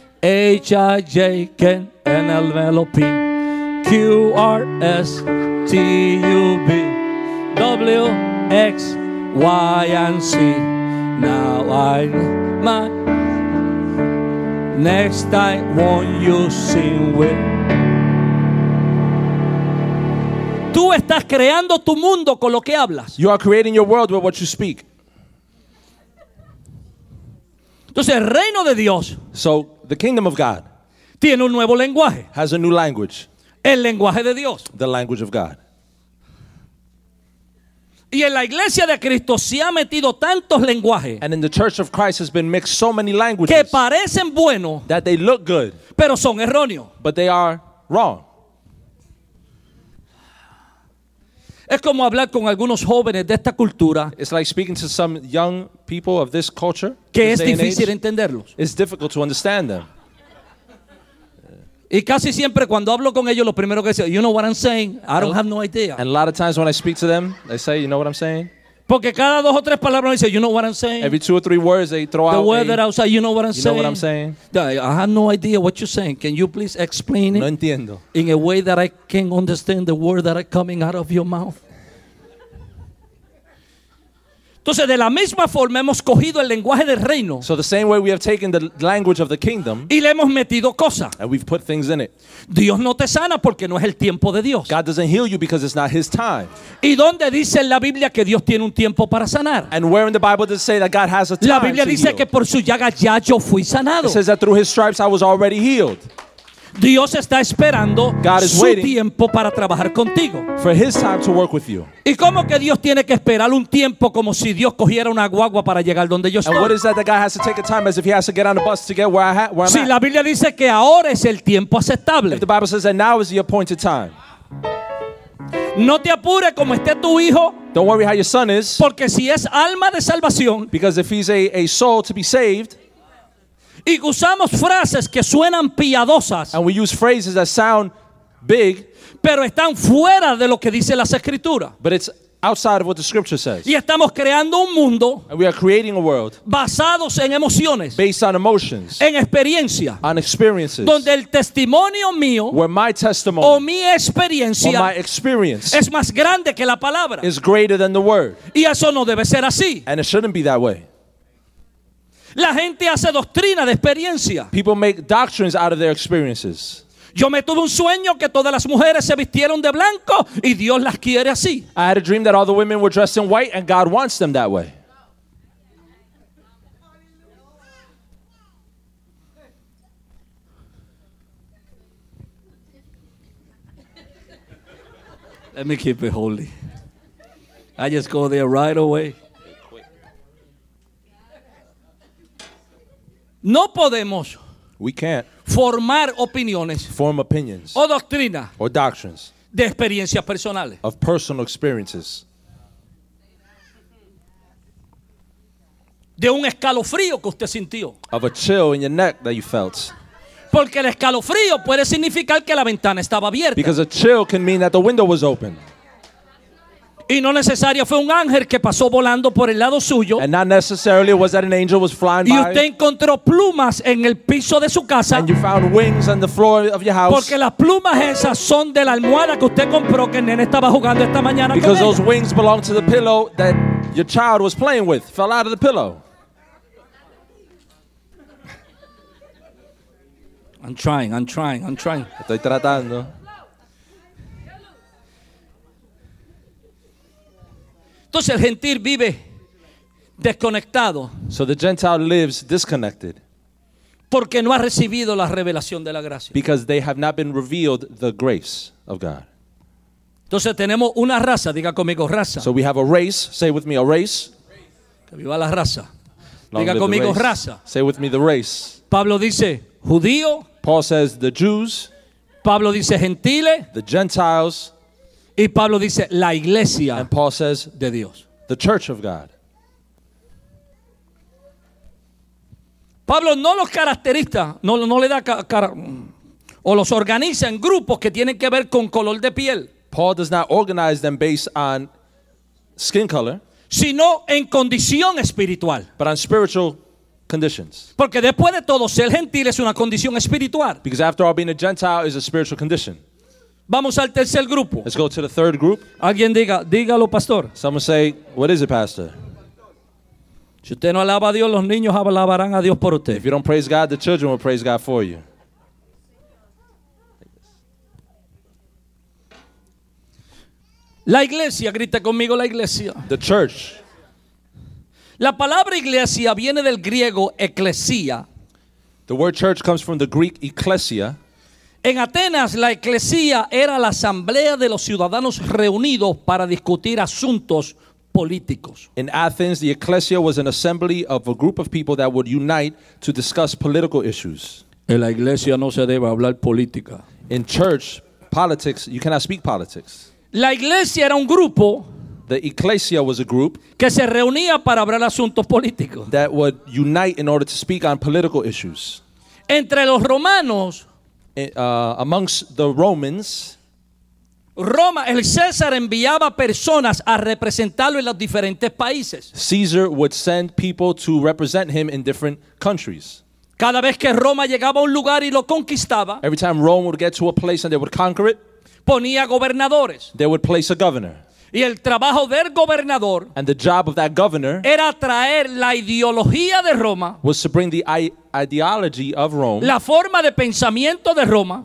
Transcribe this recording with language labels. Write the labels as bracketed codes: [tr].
[en] H I J K N L M L O P Q R S T U V W X Y and Z. Now I my next time won't you sing with? [es] Tú estás creando tu mundo con lo que hablas. [en] You are creating your world with what you speak. [es] Entonces el reino de Dios. [en] So the kingdom of God [es] tiene un nuevo lenguaje. [en] Has a new language. [es] El lenguaje de Dios. [en] The language of God. [es] Y en la iglesia de Cristo se ha metido tantos lenguajes. [en] And in the church of Christ has been mixed so many languages. [es] Que parecen buenos. [en] That they look good. [es] Pero son erróneos. [en] But they are wrong. [es] Es como hablar con algunos jóvenes de esta cultura. [en] It's like speaking to some young people of this culture. [es] Que es difícil entenderlos. [en] It's difficult to understand them. [es] Y casi siempre cuando hablo con ellos, lo primero que dicen, [en] you know what I'm saying? I don't have no idea. And a lot of times when I speak to them, they say, you know what I'm saying? [es] Porque cada dos o tres palabras dice, [en] you know what I'm saying? Every two or three words they throw the out. The word that I was saying, you know what I'm you saying? You know what I'm saying? I have no idea what you're saying. Can you please explain no it? [es] No entiendo. [en] In a way that I can understand the word that are coming out of your mouth. [es] Entonces, de la misma forma hemos cogido el lenguaje del reino. [en] So the same way we have taken the language of the kingdom. [es] Y le hemos metido cosas. [en] And we've put things in it. [es] Dios no te sana porque no es el tiempo de Dios. [en] God doesn't heal you because it's not his time. [es] ¿Y dónde dice en la Biblia que Dios tiene un tiempo para sanar? [en] And where in the Bible does it say that God has a time to heal? [es] La Biblia dice que por su llaga ya yo fui sanado. [en] It says that through his stripes I was already healed. [es] Dios está esperando su tiempo para trabajar contigo. [en] For his time to work with you. [es] ¿Y cómo que Dios tiene que esperar un tiempo como si Dios cogiera una guagua para llegar donde yo estoy? [en] And what is that that God has to take a time as if he has to get on a bus to get where I'm at? [es] Si la Biblia dice que ahora es el tiempo aceptable. [en] If the Bible says that now is the appointed time. [es] No te apures como esté tu hijo. [en] Don't worry how your son is. [es] Porque si es alma de salvación. [en] Because if he's a soul to be saved. [es] Y usamos frases que suenan piadosas. [en] And we use phrases that sound big. [es] Pero están fuera de lo que dice las escrituras. [en] But it's outside of what the scripture says. [es] Y estamos creando un mundo. [en] And we are creating a world. [es] Basados en emociones. [en] Based on emotions. [es] En experiencia. [en] On experiences. [es] Donde el testimonio mío. [en] Where my testimony. [es] O mi experiencia. [en] Or my experience. [es] Es más grande que la palabra. [en] Is greater than the word. [es] Y eso no debe ser así. [en] And it shouldn't be that way. [es] La gente hace doctrina de experiencia. [en] People make doctrines out of their experiences. [es] Yo me tuve un sueño que todas las mujeres se vistieron de blanco y Dios las quiere así. [en] I had a dream that all the women were dressed in white and God wants them that way. Let me keep it holy. I just go there right away. [es] No podemos [en] we can't [es] formar opiniones [en] form opinions [es] o doctrina [en] or doctrines [es] de experiencias personales [en] of personal experiences [es] de un escalofrío que usted sintió [en] of a chill in your neck that you felt [es] porque el escalofrío puede significar que la ventana estaba abierta [en] because a chill can mean that the window was open. [es] Y no necesario fue un ángel que pasó volando por el lado suyo. [en] And not necessarily was that an angel was flying by. [es] Y usted encontró plumas en el piso de su casa. [en] And you found wings on the floor of your house. [es] Porque las plumas esas son de la almohada que usted compró que el nene estaba jugando esta mañana. [en] Because those wings belong to the pillow that your child was playing with. Fell out of the pillow. I'm trying. [es] Estoy tratando. Entonces el gentil vive desconectado. [en] So the Gentile lives disconnected. [es] Porque no ha recibido la revelación de la gracia. [en] Because they have not been revealed the grace of God. [es] Entonces tenemos una raza, diga conmigo raza. [en] So we have a race, say with me a race. [es] Que viva la raza. Diga conmigo raza. [en] Say with me the race. [es] Pablo dice judío. [en] Paul says the Jews. [es] Pablo dice gentiles. [en] The Gentiles. [es] Y Pablo dice la iglesia [en] and Paul says, [es] de Dios. [en] The church of God. [es] Pablo no los caracteriza, no le da cara o los organiza en grupos que tienen que ver con color de piel. [en] Paul does not organize them based on skin color, [es] sino en condición espiritual. [en] But on spiritual conditions. [es] Porque después de todo ser gentil es una condición espiritual. [en] Because after all being a Gentile is a spiritual condition. [es] Vamos al tercer grupo. [en] Let's go to the third group. [es] Alguien diga, dígalo, pastor. [en] Someone say, what is it, pastor? [es] Si usted no alaba a Dios, los niños alabarán a Dios por usted. [en] If you don't praise God, the children will praise God for you. [es] La iglesia, grita conmigo, la iglesia. [en] The church. [es] La palabra iglesia viene del griego eclesia. [en] The word church comes from the Greek ecclesia. [es] En Atenas, la eclesía era la asamblea de los ciudadanos reunidos para discutir asuntos políticos. [en] In Athens, the ecclesia was an assembly of a group of people that would unite to discuss political issues. [es] En la iglesia no se debe hablar política. [en] In church, politics, you cannot speak politics. [es] La iglesia era un grupo. [en] The ecclesia was a group. [es] Que se reunía para hablar asuntos políticos. [en] That would unite in order to speak on political issues. [es] Entre los romanos. [en] Amongst the Romans, [es] Roma, el César enviaba personas a representarlo en los diferentes países. [en] Caesar would send people to represent him in different countries. [es] Cada vez que Roma llegaba a un lugar y lo conquistaba, [en] every time Rome would get to a place and they would conquer it, [es] ponía gobernadores. [en] They would place a governor. [es] Y el trabajo del gobernador, [en] and the job of that governor, [es] era traer la ideología de Roma, [en] was to bring the ideology of Rome, [es] la forma de pensamiento de Roma,